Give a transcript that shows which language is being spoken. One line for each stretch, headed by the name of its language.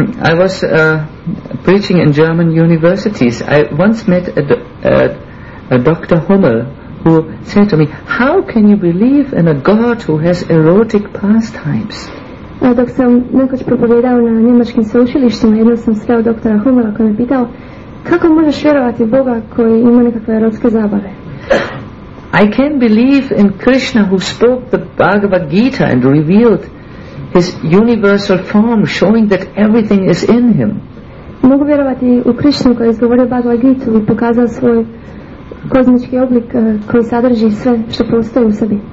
English: I was preaching in German universities, I once met a Dr. Hummel who said to me, how can you believe in a God who has erotic pastimes?
Croatian: Dok sam nekoć propovjedao na njemačkim sveučilištima, jedno sam sreo doktora Hummela koji me pitao, kako možeš vjerovati Boga koji ima nekakve erotske zabave?
English: I can believe in Krishna who spoke the Bhagavad Gita and revealed his universal form, showing that everything is in him.
Croatian: Mogu vjerovati u Krišnu koji je izgovorio Bhagavad Gita i pokazao svoj kozmički oblik koji sadrži sve što postoji u sebi.